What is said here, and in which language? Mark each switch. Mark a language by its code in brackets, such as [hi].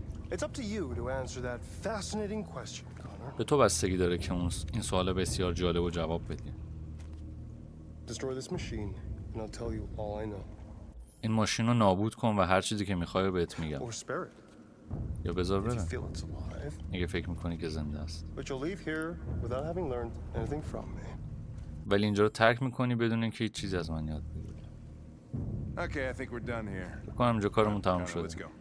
[en] It's up to you to answer that fascinating question, Connor. [fa] به تو بستگی داره که اون این سوال بسیار جالب و جواب بدی. [en] Destroy this machine and I'll tell you all I know. [fa] این ماشین رو نابود کن و هر چیزی که میخوای بهت میگم. [en] Or spare it. [fa] یا بذار برن. اگه فکر میکنی که زنده است. [en] But you'll leave here without having learned anything from me. [fa] ولی اینجا رو ترک میکنی بدون اینکه هیچ چیز از من یاد بگیری. [en] Okay, I think we're done here. [fa] بکنم اینجا کارمون تمام شد.